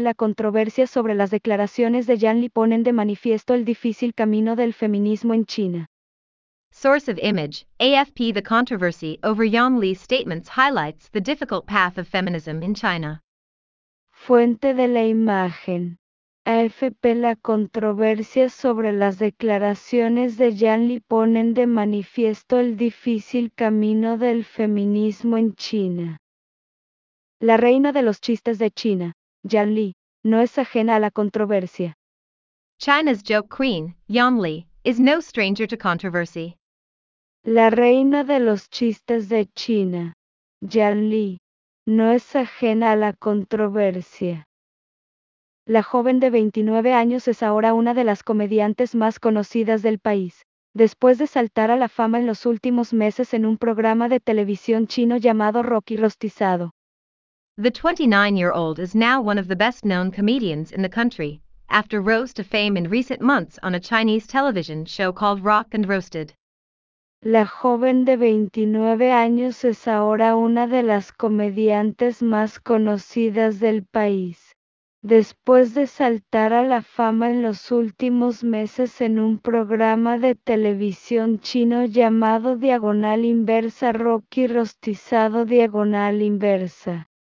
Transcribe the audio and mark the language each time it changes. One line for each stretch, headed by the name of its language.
Spanish: La controversia sobre las declaraciones de Yan Li ponen de manifiesto el difícil camino del feminismo en China.
English: Source of image, AFP. The controversy over Yan Li's statements highlights the difficult path of feminism in China.
Spanish: Fuente de la imagen. AFP. La controversia sobre las declaraciones de Yan Li ponen de manifiesto el difícil camino del feminismo en China. La reina de los chistes de China, Yan Li, no es ajena a la controversia.
English: China's joke queen, Yan Li, is no stranger to controversy.
Spanish: La reina de los chistes de China, Yan Li, no es ajena a la controversia. La joven de 29 años es ahora una de las comediantes más conocidas del país, después de saltar a la fama en los últimos meses en un programa de televisión chino llamado Rocky Rostizado.
English: The 29-year-old is now one of the best-known comedians in the country, after rose to fame in recent months on a Chinese television show called Rock and Roasted.
Spanish: La joven de 29 años es ahora una de las comediantes más conocidas del país, después de saltar a la fama en los últimos meses en un programa de televisión chino llamado Diagonal Inversa Rocky Rostizado Diagonal Inversa.